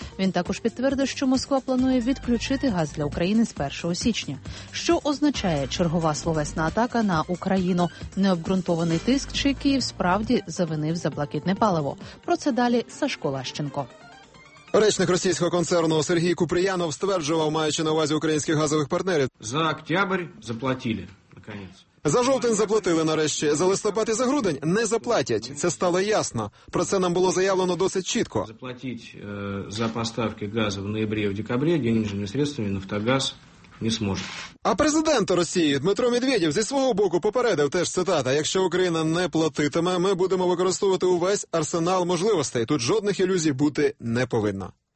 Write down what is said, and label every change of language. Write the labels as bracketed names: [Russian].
[Ukrainian] Він також підтвердив, що Москва планує відключити газ для України з 1 січня. Що означає чергова словесна атака на Україну? Необґрунтований тиск чи Київ справді завинив за блакитне паливо? Про це далі Сашко Лащенко. Речник російського концерну Сергій Купріянов стверджував, маючи на увазі українських газових партнерів. [Russian] За октябрь заплатили, наконець. [Ukrainian] За жовтень заплатили нарешті, за листопад і за грудень не заплатять. Це стало ясно. Про це нам було заявлено досить чітко. [Russian] Заплатить за поставки газу в ноябрі, в декабрі денежними средствами «Нафтогаз» не зможе. [Ukrainian] А президент Росії Дмитро Медведєв зі свого боку попередив, теж цитата, якщо Україна не платитиме, ми будемо використовувати увесь арсенал можливостей. Тут жодних ілюзій бути не повинно.